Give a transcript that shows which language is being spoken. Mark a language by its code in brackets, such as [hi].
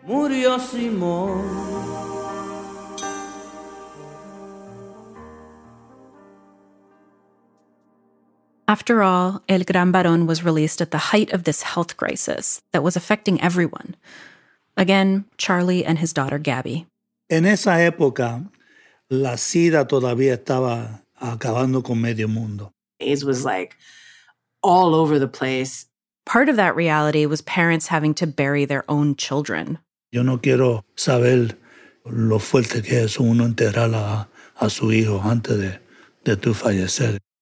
[es] Murió Simón. [en] After all, El Gran Barón was released at the height of this health crisis that was affecting everyone. Again, Charlie and his daughter, Gabby. [es] En esa época, la sida todavía estaba acabando con medio mundo. [en] AIDS was like all over the place. Part of that reality was parents having to bury their own children. [es] Yo no quiero saber lo fuerte que es uno enterrar a su hijo antes de tu fallecer.